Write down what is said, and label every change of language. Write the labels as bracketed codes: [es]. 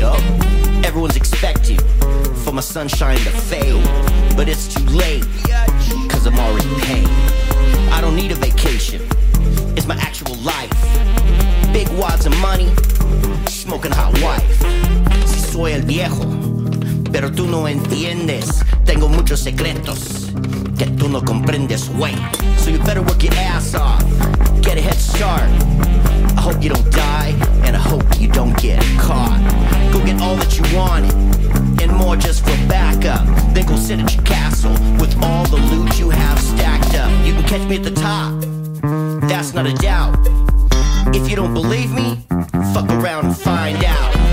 [en] Oh, everyone's expecting for my sunshine to fade, but it's too late, cause I'm already paid. I don't need a vacation, it's my actual life. Big wads of money, smoking hot wife. [es] Si soy el viejo, pero tú no entiendes. Tengo muchos secretos que tú no comprendes, güey. [en] So you better work your ass off, get a head start. I hope you don't die, and I hope you don't get caught. Go get all that you wanted, and more just for backup. Then go sit at your castle with all the loot you have stacked up. You can catch me at the top, that's not a doubt. If you don't believe me, fuck around and find out.